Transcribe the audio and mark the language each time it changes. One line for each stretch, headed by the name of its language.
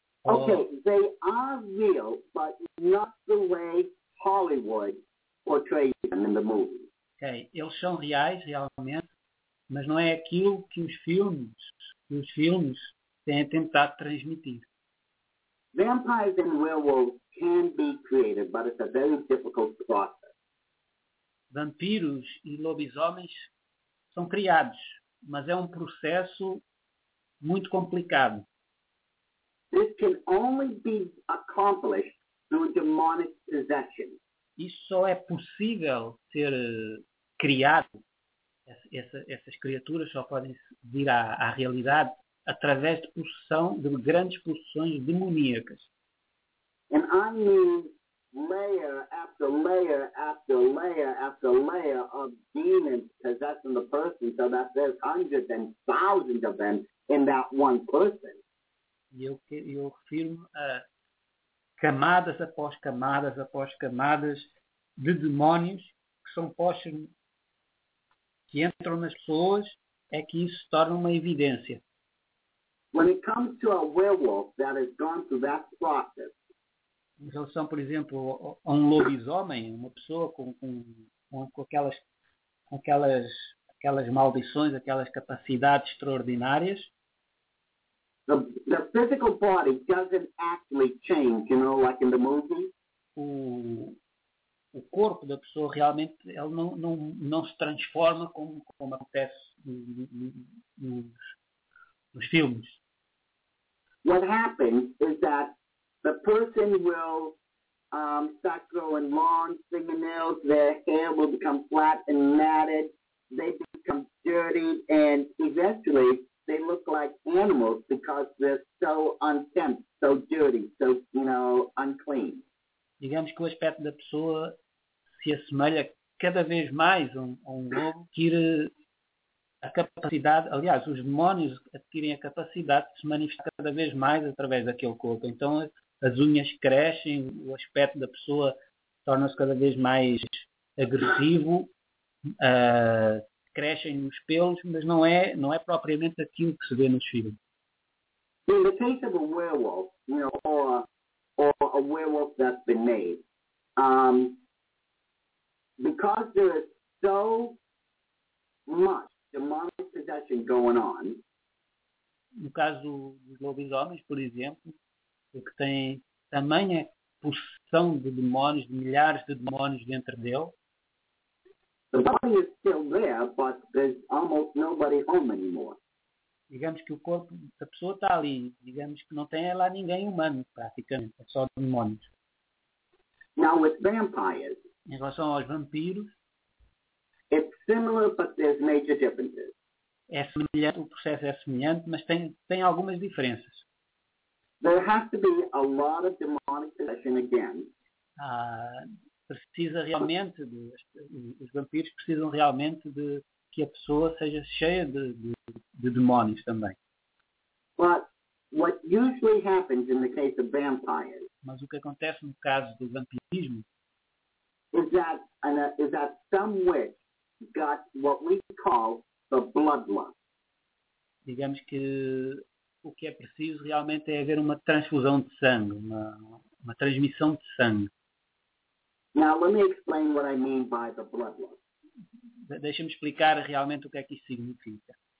English: Okay, they are real, but not the way Hollywood portrays them in the movies.
Portuguese: Okay, eles são reais, realmente, mas não é aquilo que os filmes têm tentado transmitir.
English: Vampires and werewolves can be created, but it's a very difficult process.
Portuguese: Vampiros e lobisomens são criados, mas é um processo muito complicado.
English: This can only be accomplished through demonic possession.
Portuguese: Isso só é possível ser criado. Essas criaturas só podem vir à realidade através de possessão, de grandes possessões demoníacas.
English: And I mean layer after layer after layer after layer of demons possessing the person, so that there's hundreds and thousands of them in that one person.
Portuguese: E eu refiro a camadas após camadas após camadas de demónios que são postos, que entram nas pessoas, é que isso se torna uma evidência.
English: When it comes to a werewolf that has gone through that process,
Portuguese: em relação, por exemplo, a um lobisomem, uma pessoa com aquelas maldições, aquelas capacidades extraordinárias,
English: The physical body doesn't actually change, you know, like in the movie.
Portuguese: O corpo da pessoa realmente ele não se transforma como acontece nos filmes.
English: What happens is that the person will start growing long fingernails, their hair will become flat and matted, they become dirty, and eventually they look like animals because they're so unkempt, so dirty, so, you know, unclean.
Portuguese: Digamos que o aspecto da pessoa se assemelha cada vez mais a um lobo, adquire a capacidade, aliás, os demónios adquirem a capacidade de se manifestar cada vez mais através daquele corpo. Então, as unhas crescem, o aspecto da pessoa torna-se cada vez mais agressivo, crescem os pelos, mas não é propriamente aquilo que se vê nos filmes.
English: In the case of a werewolf, you know, or a werewolf that's been made, because there is so much demonic possession going on.
Portuguese: No caso dos lobisomens, por exemplo, que tem tamanha possessão de demónios, de milhares de demónios dentro dele.
English: The body is still there, but there's almost nobody home anymore.
Portuguese: Digamos que o corpo da pessoa está ali. Digamos que não tem lá ninguém humano, praticamente. É só demónios.
English: Now, with vampires,
Portuguese: em relação aos vampiros,
English: it's similar, but there's major differences.
Portuguese: É semelhante, o processo é semelhante, mas tem algumas diferenças.
English: There has to be a lot of demonic possession again.
Portuguese: Precisa realmente, os vampiros precisam realmente de que a pessoa seja cheia de demónios também.
English: But what usually happens in the case of vampires,
Portuguese: mas o que acontece no caso do vampirismo
English: is that some witch got what we call the bloodlust.
Portuguese: Digamos que o que é preciso realmente é haver uma transfusão de sangue, uma transmissão de sangue.
English: Now, let me explain what I mean by the bloodlust.
Portuguese: Deixa-me explicar realmente o que é que isso significa.